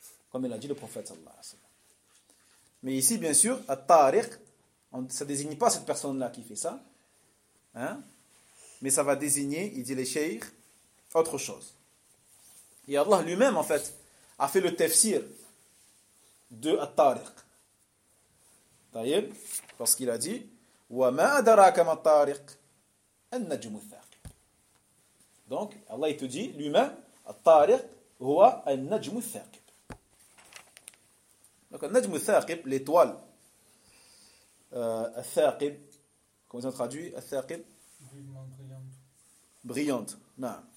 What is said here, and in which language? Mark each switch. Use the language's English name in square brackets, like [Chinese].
[French] Comme il a dit le prophète sallallahu alayhi wa sallam. Mais ici, bien sûr, at-tariq, ça ne désigne pas cette personne-là qui fait ça. Hein? Mais ça va désigner, il dit les shaykhs, autre chose. Et Allah lui-même, en fait, a fait le tafsir. De At-Tariq. D'ailleurs, parce qu'il a dit [Arabic] وَمَا أَدَرَاكَ مَا أَتَّارِقَ النَّجْمُ الثَّاقِبُ. [French] Donc, Allah te dit lui-même, At-Tariq, [Arabic] هو النجم الثاقب. [French] Donc, [Arabic] النجم الثاقب, [French] l'étoile. الثاقب, comment ça traduit الثاقب? Brillante. Brillante, non.